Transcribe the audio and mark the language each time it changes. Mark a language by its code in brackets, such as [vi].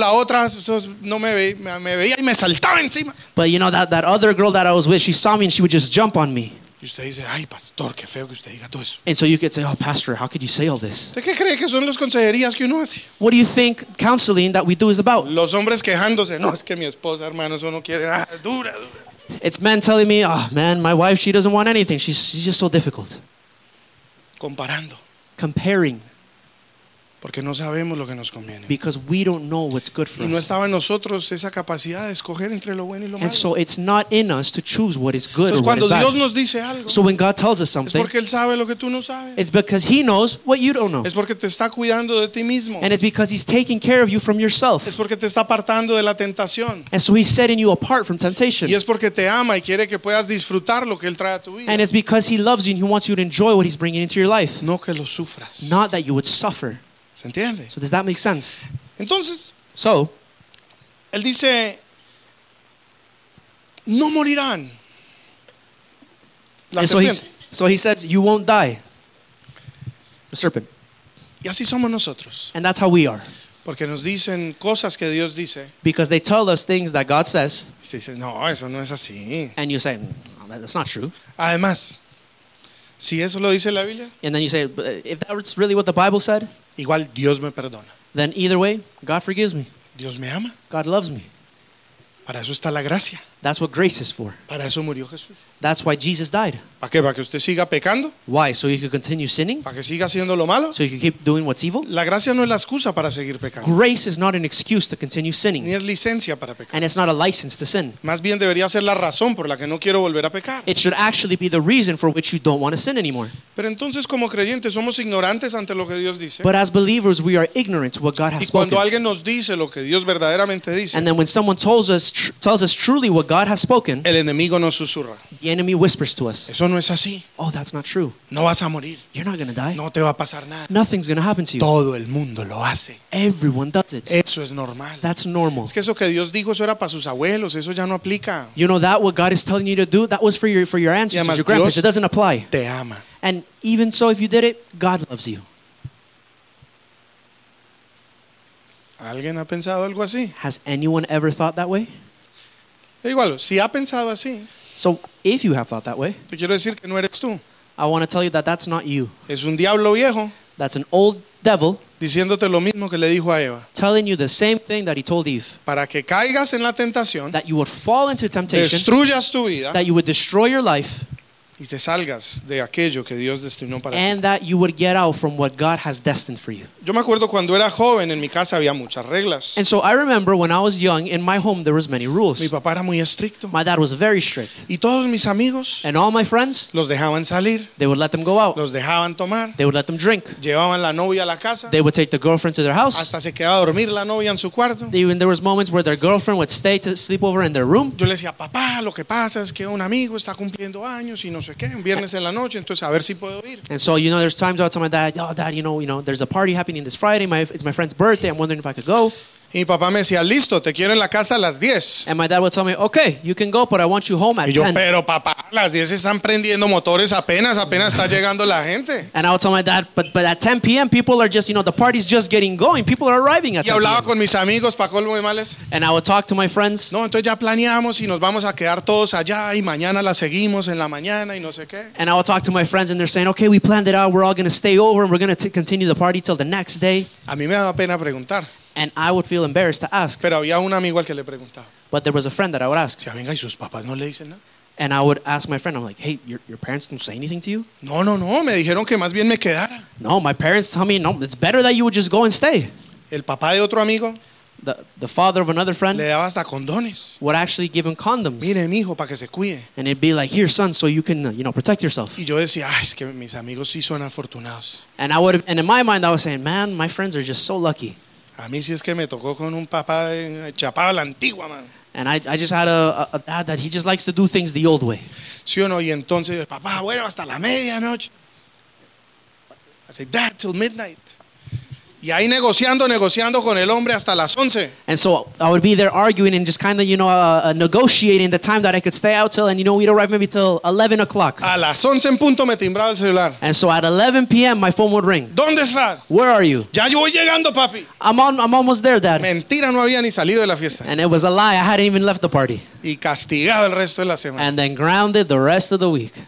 [es] La otra, no me veía y me saltaba encima. [en] But you know, that other girl that I was with, she saw me and she would just jump on me. [es] Y usted dice, ay, pastor, qué feo que usted diga todo eso. [en] And so you could say, oh, pastor, how could you say all this? [es] ¿De qué cree que son las consejerías que uno hace? [en] What do you think counseling that we do is about? [es] Los hombres quejándose, no, es que mi esposa, hermano, eso no quiere nada, es dura. [en] It's men telling me, oh, man, my wife, she doesn't want anything. She's just so difficult. [es] Comparando. [en] Comparing. [es] Porque no sabemos lo que nos conviene. [en] Because we don't know what's good for us. [es] Y no estaba en nosotros esa capacidad de escoger entre lo bueno y lo malo. [en] And so it's not in us to choose what is good or what is bad. [es] Entonces cuando Dios nos dice algo, [en] so when God tells us something, [es] es porque él sabe lo que tú no sabes. [en] It's because he knows what you don't know. [es] Es porque te está cuidando de ti mismo. [en] And it's because he's taking care of you from yourself. [es] Es porque te está apartando de la tentación. [en] And so he's setting you apart from temptation. [es] Y es porque te ama y quiere que puedas disfrutar lo que él trae a tu vida. [en] And it's because he loves you and he wants you to enjoy what he's bringing into your life. [es] No que lo sufras. [en] Not that you would suffer. [es] ¿Se entiende? [en] So does that make sense? [es] Entonces, [en] so, [es] él dice, no morirán. La serpiente. [en] So he says, you won't die. The serpent. [es] Y así somos nosotros. [en] And that's how we are. [es] Porque nos dicen cosas que Dios dice. [en] Because they tell us things that God says. [es] Y dice, no, eso no es así. [en] And you say, no, that's not true. [es] Además, si eso lo dice la Biblia. [en] And then you say, if that's really what the Bible said. [es] Igual Dios me perdona. [en] Then either way, God forgives me. [es] Dios me ama. [en] God loves me. [es] Para eso está la gracia. [en] That's what grace is for. [es] Para eso murió Jesús. [en] That's why Jesus died. [es] ¿Para qué? Para que usted siga pecando. [en] Why? So you can continue sinning. [es] Para que siga haciendo lo malo. [en] So you can keep doing what's evil. [es] La gracia no es la excusa para seguir pecando. [en] Grace is not an excuse to continue sinning. [es] Ni es licencia para pecar. [en] And it's not a license to sin. [es] Más bien debería ser la razón por la que no quiero volver a pecar. [en] It should actually be the reason for which you don't want to sin anymore. [es] Pero entonces como creyentes somos ignorantes ante lo que Dios dice. [en] But as believers we are ignorant to what God has spoken. [es] Y cuando alguien nos dice lo que Dios verdaderamente dice. [en] And then when someone tells us truly what God has spoken. [es] El enemigo nos susurra. [en] The enemy whispers to us. [es] Eso no es así. [en] Oh, that's not true. [es] No vas a morir. [en] You're not going to die. [es] No te va a pasar nada. [en] Nothing's going to happen to you. [es] Todo el mundo lo hace. [en] Everyone does it. [es] Eso es normal. [en] That's normal. [es] Es que eso que Dios dijo eso era para sus abuelos, eso ya no aplica. [en] You know that what God is telling you to do, that was for your ancestors, [es] además, [en] your grandparents, [es] Dios [en] it doesn't apply. [es] Te ama. [en] And even so if you did it, God loves you. [es] ¿Alguien ha pensado algo así? [en] Has anyone ever thought that way? [es] Igual, si ha pensado así. [en] So if you have thought that way, [es] te quiero decir que no eres tú. [en] I want to tell you that that's not you. [es] Es un diablo viejo. [en] That's an old devil. [es] Diciéndote lo mismo que le dijo a Eva. [en] Telling you the same thing that he told Eve. [es] Para que caigas en la tentación. [en] That you would fall into temptation. [es] Destruyas tu vida. [en] That you would destroy your life. [es] Y te salgas de aquello que Dios destinó para ti. [en] And that you would get out from what God has destined for you. [es] Yo me acuerdo cuando era joven en mi casa había muchas reglas. [en] And so I remember when I was young in my home there was many rules. [es] Mi papá era muy estricto. [en] My dad was very strict. [es] Y todos mis amigos. [en] And all my friends. [es] Los dejaban salir. [en] They would let them go out. [es] Los dejaban tomar. [en] They would let them drink. [es] Llevaban la novia a la casa. [en] They would take the girlfriend to their house. [es] Hasta se quedaba a dormir la novia en su cuarto. [en] Even there was moments where their girlfriend would stay to sleep over in their room. [es] Yo le decía, papá, lo que pasa es que un amigo está cumpliendo años y no sé. [en] And so, you know, there's times I'll tell my dad, oh, dad, you know, there's a party happening this Friday. It's my friend's birthday. I'm wondering if I could go. [es] Y mi papá me decía, listo, te quiero en la casa a las 10. [en] And my dad would tell me, okay, you can go, but I want you home at 10. [es] Y yo, pero papá, las 10 están prendiendo motores apenas está llegando la gente. [en] And I would tell my dad, but at 10 p.m., people are just, you know, the party's just getting going. People are arriving at 10 [es] p.m. Y hablaba con mis amigos, pa' colmo y males. [en] And I would talk to my friends. [es] No, entonces ya planeamos y nos vamos a quedar todos allá y mañana la seguimos en la mañana y no sé qué. [en] And I would talk to my friends and they're saying, okay, we planned it out, we're all going to stay over and we're going to continue the party till the next day. [es] A mí me daba pena preguntar. [en] And I would feel embarrassed to ask. [es] Pero había un amigo al que le preguntaba. [en] But there was a friend that I would ask. [es] Si venga, ¿y sus papás no le dicen nada? [en] And I would ask my friend, I'm like, hey, your parents don't say anything to you? [es] No, no, no, me dijeron que más bien me quedara. [en] No, my parents tell me, no, it's better that you would just go and stay. [es] El papá de otro amigo. [en] The father of another friend. [es] Le daba hasta condones. [en] Would actually give him condoms. [es] Mire, mi hijo, para que se cuide. [en] And it'd be like, here, son, so you can, you know, protect yourself. [es] Y yo decía, ay, es que mis amigos sí son afortunados. [en] And I would, and in my mind, I was saying, man, my friends are just so lucky. [es] A mí sí es que me tocó con un papá de chapada la antigua, man. [en] And I just had a dad that he just likes to do things the old way. [es] Sí o no, y entonces, papá, bueno, hasta la medianoche. [en] I say, dad, till midnight. [es] Y ahí negociando con el hombre hasta las 11. [en] And so I would be there arguing and just kind of, you know, negotiating the time that I could stay out till, and you know, we'd arrive maybe till 11 o'clock. [es] A las 11 en punto me timbraba el celular. [en] And so at 11 p.m. my phone would ring. [es] ¿Dónde estás? [en] Where are you? [es] Ya yo voy llegando, papi. [en] I'm almost there, dad. [es] Mentira, no había ni salido de la fiesta. [en] And it was a lie, I hadn't even left the party. [es] Y castigado el resto de la semana. [en] And then grounded the rest of the week.